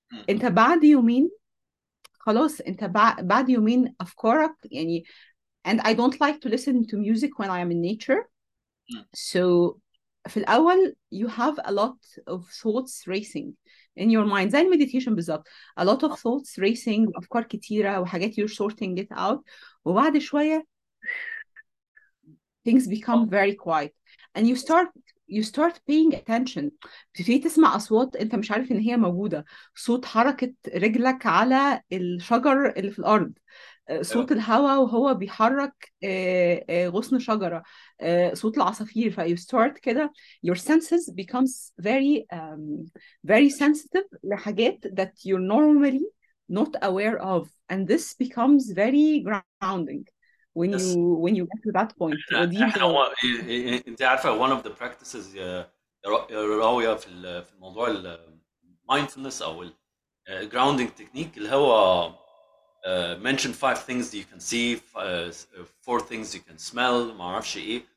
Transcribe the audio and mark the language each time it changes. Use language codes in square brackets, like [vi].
[ar] أنت بعد يومين خلاص، أنت بعد يومين أفكارك يعني، [en] and I don't like to listen to music when I am in nature. So [ar] في الأول [en] you have a lot of thoughts racing in your mind. [ar] زي المديتيشن بالظبط. [en] A lot of thoughts racing, [ar] أفكار كتيرة وحاجات [en] you're sorting it out. [ar] وبعد شوية [en] things become very quiet. And you start paying attention. [ar] بتبتدي تسمع أصوات أنت مش عارف إن هي موجودة. صوت حركة رجلك على الشجر اللي في الأرض. صوت الهواء وهو بيحرك غصن شجرة. صوت العصافير. ف [en] you start [ar] كده [en] your senses becomes very very sensitive [ar] لحاجات [en] that you're normally not aware of, and this becomes very grounding [ar] بس [en] when you get to that point. [ar] ودي احنا انت عارفه [en] one of the practices [ar] يا راويه في الموضوع المايندفولنس او الجراوندنج تكنيك اللي هو [en] mention five things that you can see, four things you can smell, [ar] ما اعرفش ايه.